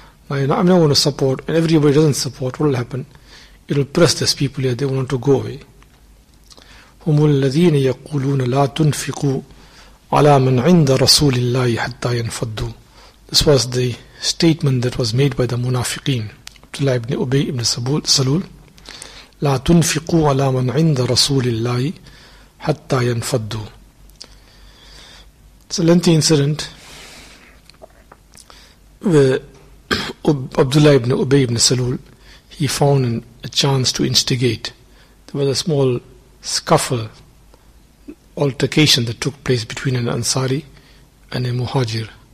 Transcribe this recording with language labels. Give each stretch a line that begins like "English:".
English: Now, I'm not going to support, and everybody doesn't support, what will happen? It will press these people here, they want to go away.
Arabic: هم الذين يقولون لا تنفقوا على من عند رسول الله حتى ينفضوا.
English: This was the statement that was made by the Munafiqeen, Abdullah ibn Ubay ibn Salul.
Arabic: لا تنفقوا على من عند رسول الله حتى ينفضوا.
English: It's a lengthy incident where Abdullah ibn Ubay ibn Salul, he found a chance to instigate. There was a small scuffle, altercation that took place between an Ansari and a Muhajir.